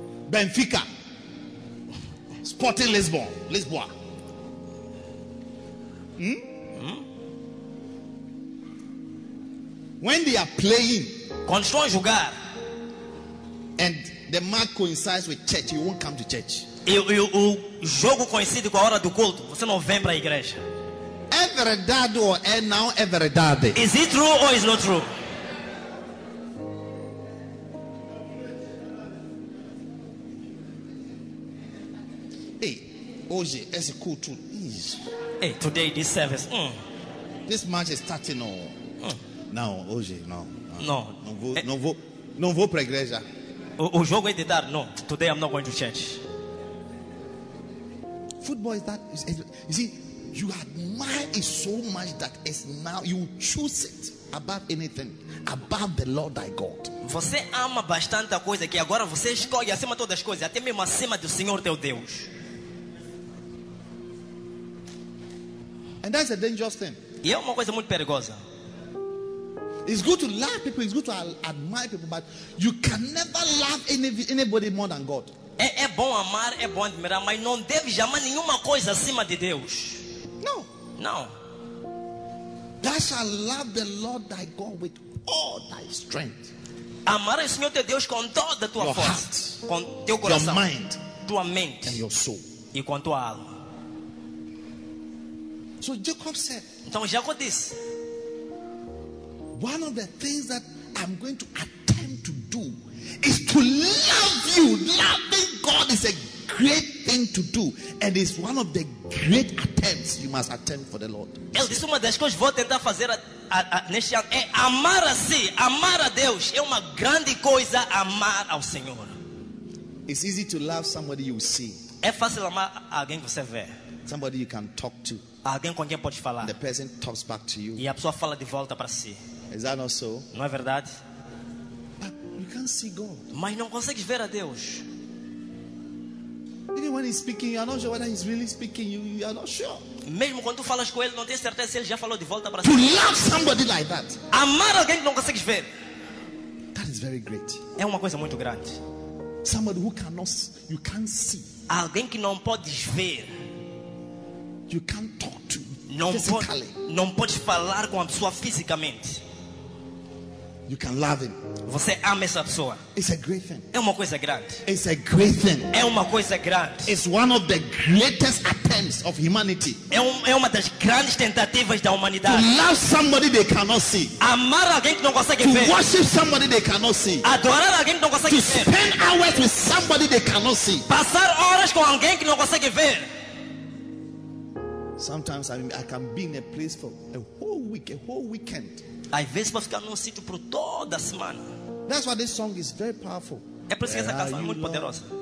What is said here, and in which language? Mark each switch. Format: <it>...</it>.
<en>Benfica. Sporting Lisbon, Lisboa. When they are playing,</en> <pt>quando estão a jogar,</pt> <en>and the match coincides with church, you won't come to church.</en> <pt>E o jogo coincide com a hora do culto, você não vem para a igreja. É verdade ou é não é verdade?</pt> <en>Is it true or is not true?</en> <pt>Hoje esse culto.</pt> <en>Hey, today this service. This match is starting on.</en> <pt>Não, hoje não. Não. Não vou, é, não vou para a igreja. O jogo é de dar.</pt> <en>No, today I'm not going to church. Football is that. You see, you admire it so much that it's now you choose it above anything, above the Lord thy God.</en> <pt>Você ama bastante a coisa que agora você escolhe acima de todas as coisas, até mesmo acima do Senhor teu Deus.</pt> <en>And that's a dangerous thing.</en> <pt>E é uma coisa muito perigosa.</pt> <en>It's good to love people, it's good to admire people, but you can never love anybody more than God.</en> <pt>É bom amar, é bom admirar, mas não deve jamais nenhuma coisa acima de Deus.</pt> <en>No. No. Thou shalt love the Lord thy God with all thy strength.</en> <pt>Amar o Senhor teu Deus com toda a tua</pt> <en>your</en> <pt>força, com teu coração,</pt> <en>your mind,</en> <pt>tua mente,</pt> <en>and your soul.</en> <pt>E com tua alma.</pt> <en>So Jacob said,</en> <pt>então Jacob disse,</pt> <en>one of the things that I'm going to attempt to do is to love you. Loving God is a great thing to do, and it's one of the great attempts you must attempt for the Lord.</en> <pt>Ele disse, uma das coisas que vou tentar fazer neste ano é amar a si, amar a Deus. É uma grande coisa amar ao Senhor.</pt> <en>It's easy to love somebody you see.</en> <pt>É fácil amar alguém que você vê.</pt> <en>Somebody you can talk to.</en> <pt>Alguém com quem pode falar.</pt> <en>The person talks back to you.</en> <pt>E a pessoa fala de volta para si.</pt> <en>Is that not so?</en> <pt>Não é verdade?</pt> <en>But you can't see God.</en> <pt>Mas não consegues ver a Deus.</pt> <en>Even when he's speaking, you are not sure whether he's really speaking. You are not sure.</en> <pt>Mesmo quando tu falas com ele, não tens certeza se ele já falou de volta para</pt> <en>to</en> <pt>si.</pt> <en>To love somebody like that.</en> <pt>Amar alguém que não consegues ver.</pt> <en>That is very great.</en> <pt>É uma coisa muito grande.</pt> <en>Somebody who cannot, you can't see.</en> <pt>Alguém que não podes ver.</pt> <en>You can't talk</en> <pt>não pode falar com a pessoa fisicamente.</pt> <en>You can love him.</en> <pt>Você ama essa pessoa.</pt> <en>It's a great thing.</en> <pt>É uma coisa grande.</pt> <en>It's a great thing.</en> <pt>É uma coisa grande.</pt> <en>It's one of the greatest attempts of humanity.</en> <pt>É uma das grandes tentativas da humanidade.</pt> <en>To love somebody they cannot see.</en> <pt>Amar alguém que não consegue</pt> <en>to</en> <pt>ver.</pt> <en>To worship somebody they cannot see.</en> <pt>Adorar alguém que não consegue</pt> <en>to</en> <pt>ver.</pt> <en>To spend hours with somebody they cannot see.</en> <pt>Passar horas com alguém que não consegue ver.</pt> <en>Sometimes I can be in a place for a whole week, a whole weekend.</en> <pt>Às vezes posso ficar num sítio por toda a semana.</pt> <en>That's why this song is very powerful.</en> <pt>É por isso que essa canção é muito poderosa.</pt>